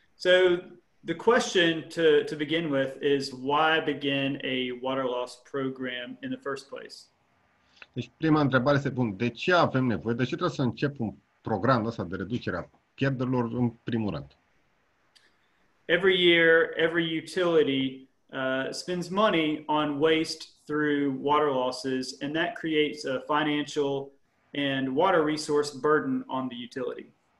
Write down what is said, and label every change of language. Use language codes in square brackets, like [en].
[en] So the question to begin with is why begin a water loss program in the first place? [ro] Deci prima întrebare este, bun, de ce avem nevoie? De ce trebuie să încep un program ăsta de reducere a pierderilor în primul rând? [en] Every year, every utility spends money on waste through water losses, and that creates a financial and water resource burden on the utility.